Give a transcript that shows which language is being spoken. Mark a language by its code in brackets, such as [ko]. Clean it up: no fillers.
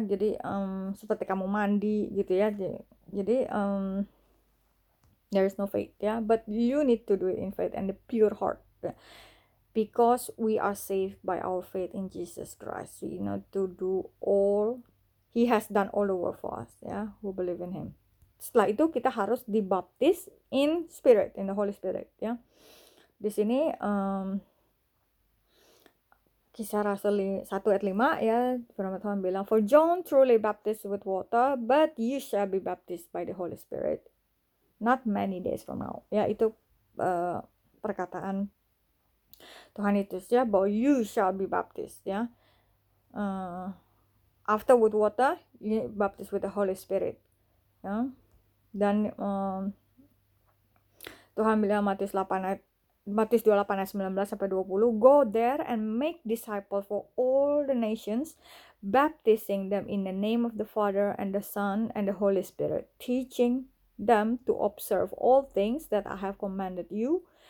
[id] Jadi seperti kamu mandi gitu ya. Jadi [en] there is no faith, ya. But you need to do it in faith and the pure heart, ya. Because we are saved by our faith in Jesus Christ. We need to do all He has done all the work for us, ya, who believe in Him. [id] Setelah itu kita harus dibaptis [en] in Spirit, in the Holy Spirit, [id] ya. Di sini Kisah Rasul 1 ayat 5 ya, firman Tuhan bilang, [en] "For John truly baptized with water, but you shall be baptized by the Holy Spirit not many days from now." [id] Ya, itu perkataan Tuhan itu ya, bahwa [en] you shall be baptized [id] ya. [en] After with water, you baptized with the Holy Spirit. Ya. [id] Dan Tuhan bilang [en] Matius 28:19-20, "Go there and make disciples for all the nations, baptizing them in the name of the Father and the Son and the Holy Spirit, teaching them to observe all things that I have commanded you.